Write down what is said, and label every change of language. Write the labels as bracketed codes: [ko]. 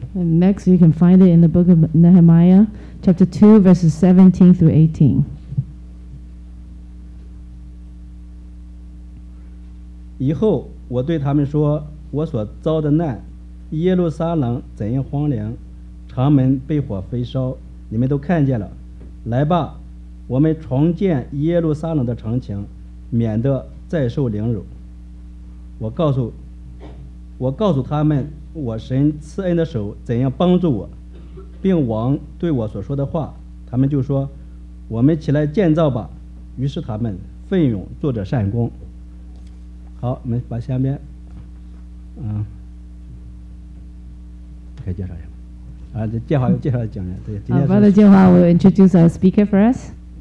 [en] And next, you can find it in the book of Nehemiah, chapter 2, verses 17 through 18. [zh] 以后我对他们说，我所遭的难，耶路撒冷怎样荒凉，城门被火焚烧，你们都看见了。来吧，我们重建耶路撒冷的城墙，免得再受凌辱。我告诉他们，我神赐恩的手怎样帮助我，并王对我所说的话，他们就说，我们起来建造吧。于是他们奋勇做着善工。好，我们把下面可以介绍一下吗？介绍讲人。对，今天是 [en] Brother Jinhua will introduce our speaker for us.